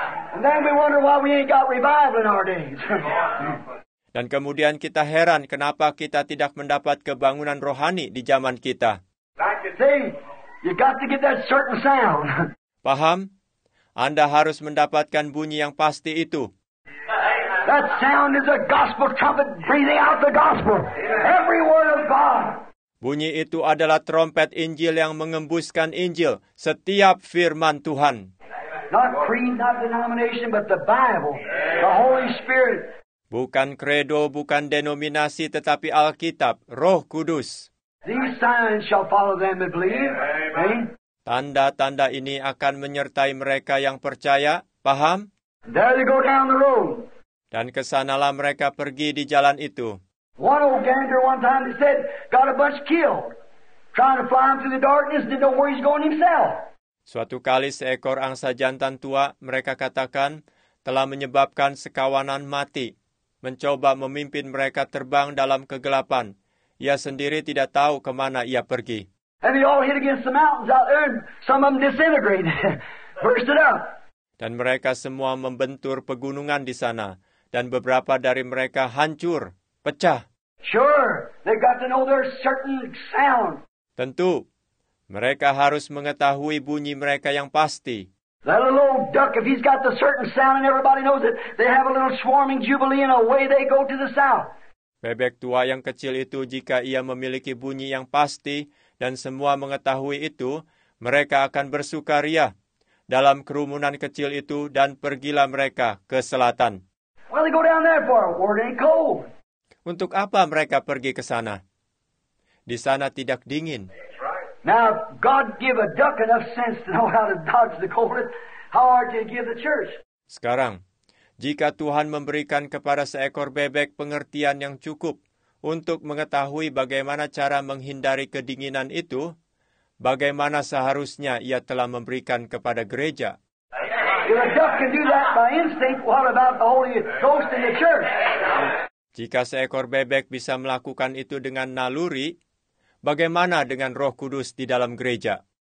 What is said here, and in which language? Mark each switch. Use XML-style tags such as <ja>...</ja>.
<en>And then we wonder why we ain't got revival in our days.</en> <id>Dan kemudian kita heran kenapa kita tidak mendapat kebangunan rohani di zaman kita.</id> <en>See, you got to get that certain sound.</en> <id>Paham? Anda harus mendapatkan bunyi yang pasti itu.</id> <en>That sound is a gospel trumpet breathing out the gospel. Every word of God.</en> <id>Bunyi itu adalah trompet Injil yang mengembuskan Injil, setiap firman Tuhan.</id> <en>Not creed, not denomination, but the Bible, the Holy Spirit.</en> <id>Bukan kredo, bukan denominasi, tetapi Alkitab, Roh Kudus.</id> <en>These signs shall follow them that believe. Amen.</en> <id>Tanda-tanda ini akan menyertai mereka yang percaya. Paham?</id> <en>There they go down the road.</en> <id>Dan kesanalah mereka pergi di jalan itu.</id> <en>One old gander one time he said got a bunch killed trying to fly him through the darkness, didn't know where he's going himself.</en> <id>Suatu kali seekor angsa jantan tua, mereka katakan, telah menyebabkan sekawanan mati, mencoba memimpin mereka terbang dalam kegelapan. Ia sendiri tidak tahu ke mana ia pergi.</id> <en>And they all hit against the mountains out there, and some of them disintegrated, bursted up.</en> <id>Dan mereka semua membentur pegunungan di sana, dan beberapa dari mereka hancur, pecah.</id> <en>Sure, they've got to know their certain sound.</en> <id>Tentu. Mereka harus mengetahui bunyi mereka yang pasti.</id> <en>That little duck, if he's got the certain sound and everybody knows it, they have a little swarming jubilee and away they go to the south.</en> <id>Bebek tua yang kecil itu, jika ia memiliki bunyi yang pasti dan semua mengetahui itu, mereka akan bersukaria dalam kerumunan kecil itu dan pergilah mereka ke selatan.</id> <en>Why they go down there for? Where they cold?</en> <id>Untuk apa mereka pergi ke sana? Di sana tidak dingin.</id> <en>Now, God give a duck enough sense to know how to dodge the cold. How hard do you give the church?</en> <id>Sekarang, jika Tuhan memberikan kepada seekor bebek pengertian yang cukup untuk mengetahui bagaimana cara menghindari kedinginan itu, bagaimana seharusnya ia telah memberikan kepada gereja?</id> <en>If a duck can do that by instinct, what about the Holy Ghost in the church?</en> <id>Jika seekor bebek bisa melakukan itu dengan naluri, bagaimana dengan Roh Kudus di dalam gereja?</id>